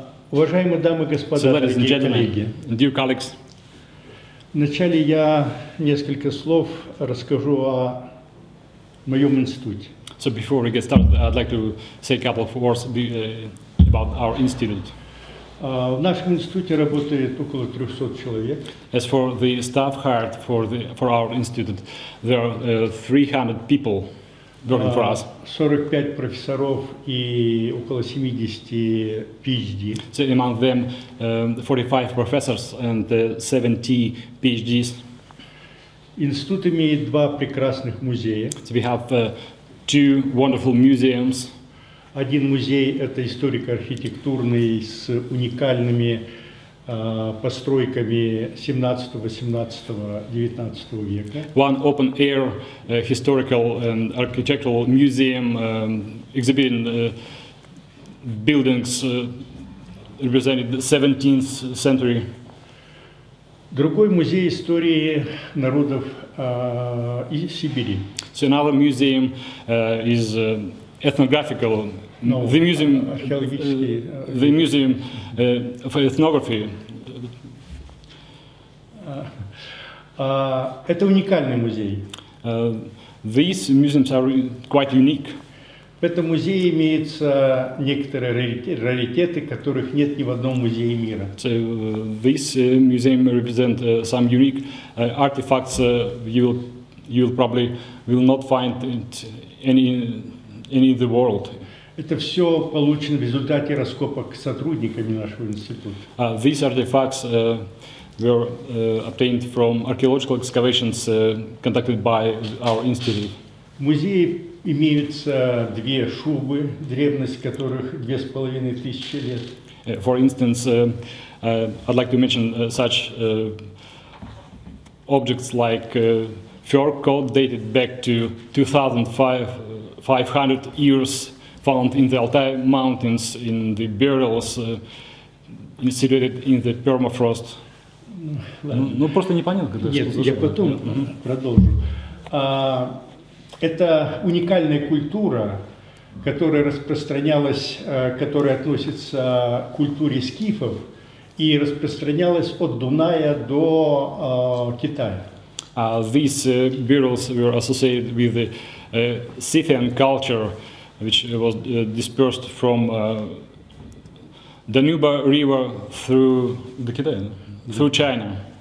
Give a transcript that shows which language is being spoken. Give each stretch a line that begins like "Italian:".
Russian: Уважаемые дамы и господа,
English: dear colleagues,
Russian: вначале я несколько слов расскажу о моем институте.
English: So before we get started, I'd like to say a couple of words about our institute.
Russian: В нашем институте работает около 300 человек.
English: As for the staff hired for our institute, there are 300 people working for us.
Russian: 45 профессоров и около 70 PhD.
English: So among them, 45 professors and 70 PhDs.
Russian: Институт имеет два прекрасных музея.
English: So we have two wonderful museums.
Russian: Один музей – это историко-архитектурный с уникальными постройками 17-18-19 века.
English: One open-air historical and architectural museum exhibiting buildings representing the 17th century.
Russian: Другой музей истории народов и Сибири.
English: So another museum is ethnographical. No, the museum, the museum for ethnography.
Russian: Это уникальный музей.
English: These museums are quite unique.
Russian: В этом музее имеются некоторые раритеты, которых нет ни в одном музее мира.
English: So this museum represent some unique artifacts you'll probably will not find it any in the world.
Russian: Это все получено в результате раскопок сотрудниками нашего института.
English: These artifacts were obtained from archaeological excavations conducted by our institute.
Russian: В музее имеются две шубы, древность которых 2500 лет.
English: For instance, I'd like to mention such objects like fur coat dated back to 2500 years, found in the Altai Mountains in the burials situated in the permafrost.
Russian: Ну, просто непонятно, когда Нет, я потом продолжу. Это уникальная культура, которая распространялась, которая относится к культуре скифов и распространялась от Дуная до Китая.
English: These burials were associated with the Scythian culture, which was dispersed from Danube River through the Китай, through China.